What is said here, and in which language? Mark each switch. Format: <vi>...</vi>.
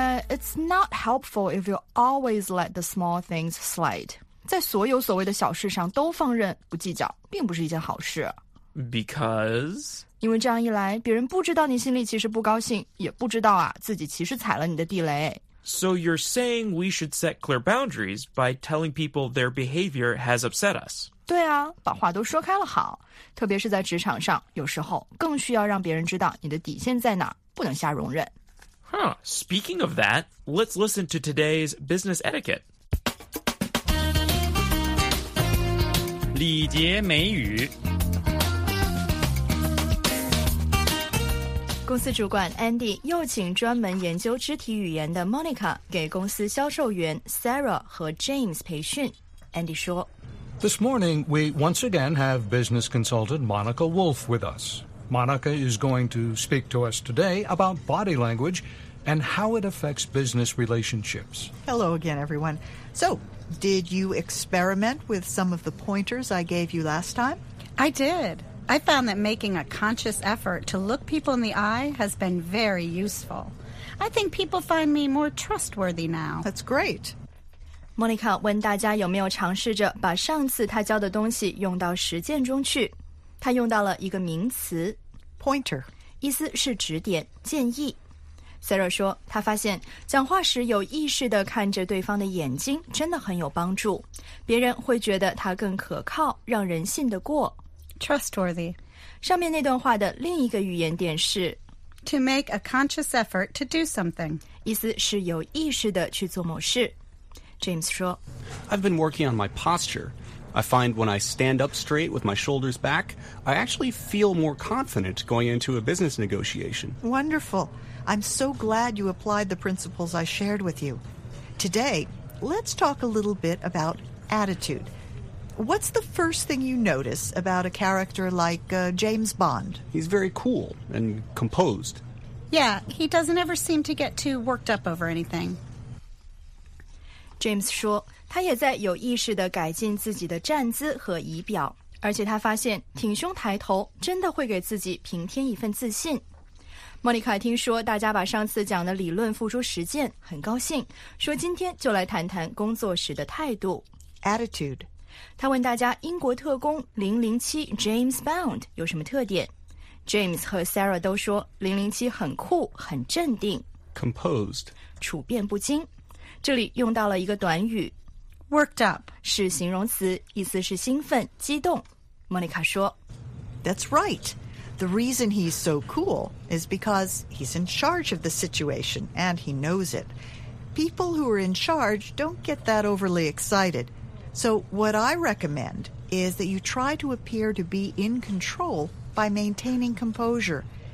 <en>It's not helpful if you always let the small things slide.</en> <zh>在所有所谓的小事上都放任不计较并不是一件好事。</zh> <en>Because?</en> <zh>因为这样一来别人不知道你心里其实不高兴也不知道啊自己其实踩了你的地雷。</zh> <en>So you're saying we should set clear boundaries by telling people their behavior has upset us.</en> <zh>对啊把话都说开了好。特别是在职场上有时候更需要让别人知道你的底线在哪不能瞎容忍。</zh> <en>Huh, speaking of that, let's listen to today's business etiquette.</en> <zh>礼节美语。公司主管 Andy 又请专门研究肢体语言的 Monica 给公司销售员 Sarah 和 James 培训。 Andy 说</zh> <en>This morning, we once again have business consultant Monica Wolf with us. Monica is going to speak to us today about body language,and how it affects business relationships. Hello again, everyone. So, did you experiment with some of the pointers I gave you last time? I did. I found that making a conscious effort to look people in the eye has been very useful. I think people find me more trustworthy now. That's great.</en> <zh>Monica 问大家有没有尝试着把上次她教的东西用到实践中去。她用到了一个名词</zh> <en>Pointer.</en> <zh>意思是指点、建议。 Sarah 说他发现讲话时有意识地看着对方的眼睛真的很有帮助别人会觉得他更可靠让人信得过</zh> <en>Trustworthy</en> <zh>上面那段话的另一个语言点是</zh> <en>To make a conscious effort to do something</en> <zh>意思是有意识地去做某事 James 说</zh> <en>I've been working on my posture I find when I stand up straight with my shoulders back I actually feel more confident going into a business negotiation WonderfulI'm so glad you applied the principles I shared with you. Today, let's talk a little bit about attitude. What's the first thing you notice about a character like James Bond? He's very cool and composed. Yeah, he doesn't ever seem to get too worked up over anything.</en> <zh>James 说，他也在有意识地改进自己的站姿和仪表，而且他发现挺胸抬头真的会给自己平添一份自信。莫妮卡听说大家把上次讲的理论付诸实践，很高兴，说今天就来谈谈工作时的态度</zh> <en>Attitude。</en> <zh>他问大家英国特工007 James Bond 有什么特点。 James 和 Sarah 都说007很酷，很镇定</zh> <en>Composed，</en> <zh>处变不惊。这里用到了一个短语</zh> <en>Worked up，</en> <zh>是形容词，意思是兴奋激动。莫妮卡说</zh> <en>That's right。 The reason he's so cool is because he's in charge of the situation and he knows it. People who are in charge don't get that overly excited. So what I recommend is that you try to appear to be in control by maintaining composure.</en>